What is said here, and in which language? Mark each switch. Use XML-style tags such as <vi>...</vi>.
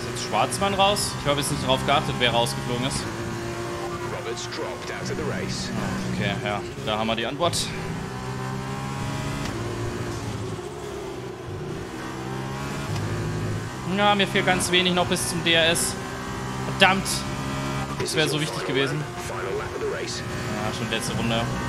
<de>Schwarzmann raus. Ich habe jetzt nicht darauf geachtet, wer rausgeflogen ist.</de> <en>Roberts dropped out of the race.</en> <de>Okay, ja, da haben wir die Antwort. Na, ja, mir fehlt ganz wenig noch bis zum DRS. Verdammt! Das wäre so wichtig gewesen. Ja, schon letzte Runde.</de>